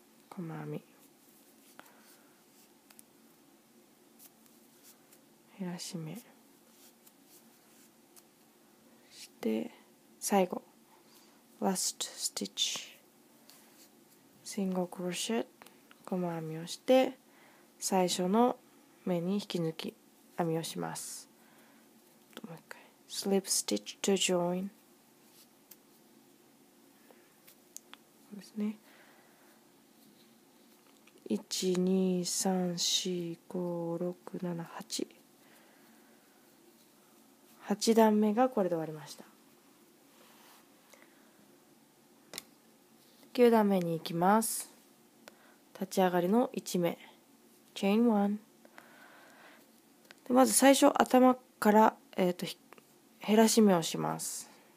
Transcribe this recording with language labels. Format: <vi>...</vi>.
<ja>細編み、減らし目、して最後</ja> <en>last stitch single crochet</en> <ja>細編みをして最初の目に引き抜き編みをします。</ja> <en>slip stitch to join</en> <ja>ですね。 1,2,3,4,5,6,7,8 8段目がこれで終わりました。 9段目に行きます。立ち上がりの1目、 chain 1で、まず最初頭から減らし目をします。</ja>